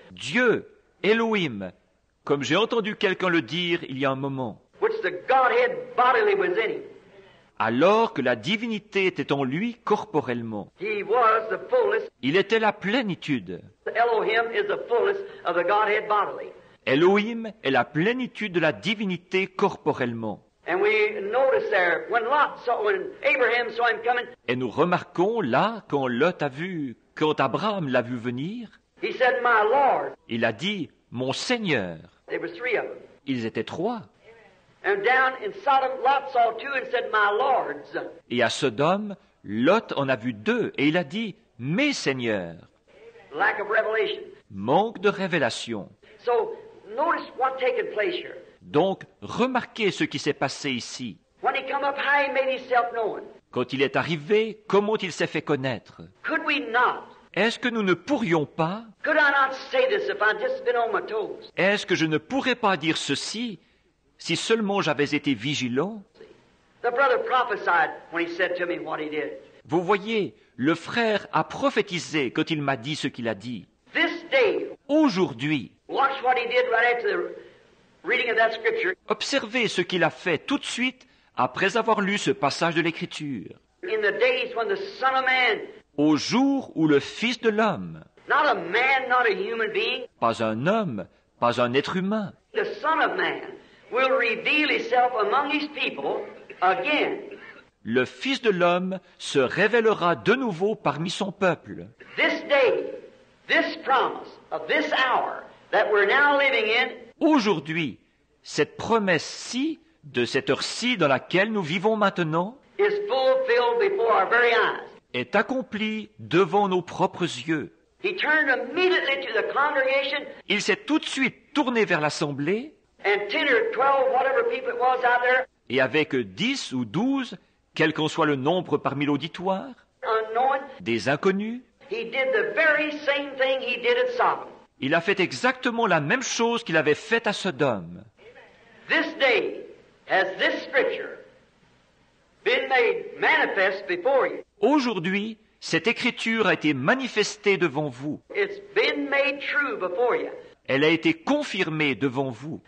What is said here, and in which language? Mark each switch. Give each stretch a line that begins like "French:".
French: Dieu Elohim, comme j'ai entendu quelqu'un le dire il y a un moment,
English: which the Godhead bodily was in him.
French: Alors que la divinité était en lui corporellement,
English: he was the fullest.
French: Il était la plénitude.
English: Elohim, is the fullest of the Godhead bodily.
French: Elohim est la plénitude de la divinité corporellement.
English: And we notice there, when Lot saw, when Abraham saw him coming,
French: et nous remarquons là, quand Lot a vu, quand Abraham l'a vu venir,
English: he said, my Lord.
French: Il a dit, mon Seigneur.
English: There were three of them.
French: Ils étaient trois.
English: And down in Sodom, Lot saw two and said, my lords.
French: Et à Sodome, Lot en a vu deux et il a dit, mes seigneurs.
English: Lack of revelation.
French: Manque de révélation.
English: So, notice what taken place here.
French: Donc, remarquez ce qui s'est passé ici.
English: When he come up high, he made himself known.
French: Quand il est arrivé, comment il s'est fait connaître?
English: Could we not?
French: Est-ce que nous ne pourrions pas?
English: Could I not say this if I'd just been on my toes?
French: Est-ce que je ne pourrais pas dire ceci si seulement j'avais été vigilant?
English: The brother prophesied when he said to me what he did.
French: Vous voyez, le frère a prophétisé quand il m'a dit ce qu'il a dit.
English: This day,
French: aujourd'hui,
English: watch what he did right after the reading of that scripture.
French: Observez ce qu'il a fait tout de suite après avoir lu ce passage de l'Écriture.
English: In the days when the Son of Man,
French: au jour où le Fils de l'homme,
English: not a man, not a human being,
French: pas un homme, pas un être humain,
English: the Son of Man, will reveal himself among his people again.
French: Le Fils de l'homme se révélera de nouveau parmi son peuple.
English: This day, this promise of this hour that we're now living in.
French: Aujourd'hui, cette promesse-ci de cette heure-ci dans laquelle nous vivons maintenant
English: is fulfilled before our very eyes.
French: Est accomplie devant nos propres yeux.
English: He turned immediately to the congregation.
French: Il s'est tout de suite tourné vers l'assemblée.
English: And 10 or 12, whatever people it was out there.
French: Et avec 10 ou 12, quel qu'en soit le nombre parmi l'auditoire,
English: unknown,
French: des inconnus,
English: he did the very same thing he did at Sodom.
French: Il a fait exactement la même chose qu'il avait faite à Sodome.
English: This day has this scripture been made manifest before you.
French: Aujourd'hui, cette écriture a été manifestée devant vous.
English: It's been made true before you.
French: Elle a été confirmée devant vous.